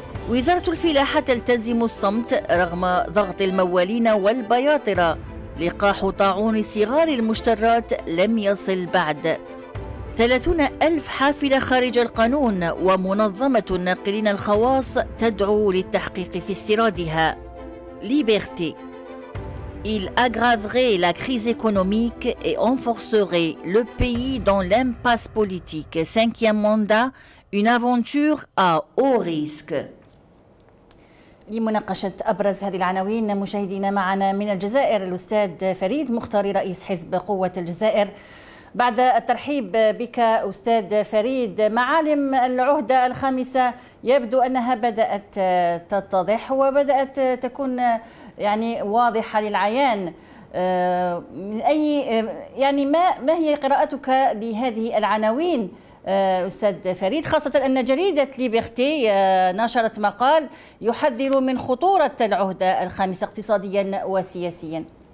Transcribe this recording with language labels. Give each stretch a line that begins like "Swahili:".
Arabic: وزارة الفلاحة تلتزم الصمت رغم ضغط الموالين والبياطرة، لقاح طاعون صغار المشترات لم يصل بعد. 30,000 حافلة خارج القانون، ومنظمة الناقلين الخواص تدعو للتحقيق في استيرادها.
French: ليبرتي: Il aggraverait la crise économique et renforcerait le pays dans l'impasse politique. Cinquième mandat, une aventure à haut risque.
Arabic: لمناقشة أبرز هذه العناوين مشاهدينا معنا من الجزائر الأستاذ فريد مختاري رئيس حزب قوة الجزائر. بعد الترحيب بك أستاذ فريد، معالم العهدة الخامسة يبدو أنها بدأت تتضح وبدأت تكون يعني واضحة للعيان، من أي يعني ما هي قراءتك لهذه العناوين أستاذ فريد، خاصة أن جريدة ليبرتي نشرت مقال يحذر من خطورة العهدة الخامسة اقتصاديا وسياسيا؟